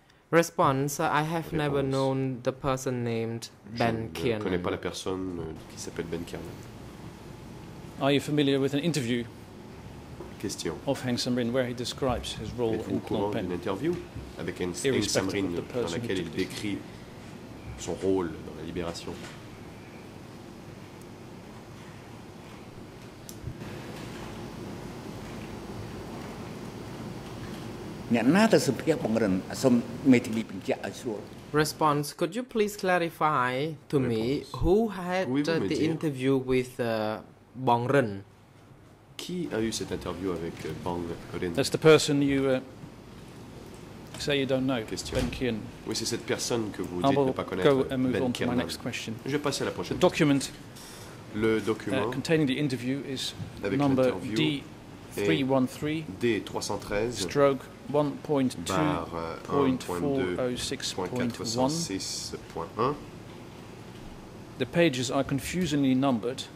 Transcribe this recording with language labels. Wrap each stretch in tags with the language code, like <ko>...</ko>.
<en>Response, I have never known the person named Ben Kiernan.</en> <fr>Je connais pas la personne qui s'appelle Ben Kiernan.</fr> <en>Are you familiar with an interview?</en> <fr>Question.</fr> <en>Of Heng Samrin where he describes his role in Phnom Penh.</en> <fr>Êtes-vous au courant d'une interview avec Heng Samrin dans laquelle il décrit son rôle dans la libération?</fr> <en>Response, could you please clarify to me who had the interview with Bong Ren?</en> <fr>Qui a eu cette interview avec Bong Ren?</fr> <en>That's the person you say you don't know, question. Ben Kiern.</en> <fr>Oui, c'est cette personne que vous dites ne pas connaître,</fr> <en>Ben Kiern. I will go and move on to my next question.</en> <fr>Je vais passer à la prochaine.</fr> <en>The document,</en> <fr>le document</fr> <en>containing the interview is number D313/1.2.406.1. The pages are confusingly numbered.</en>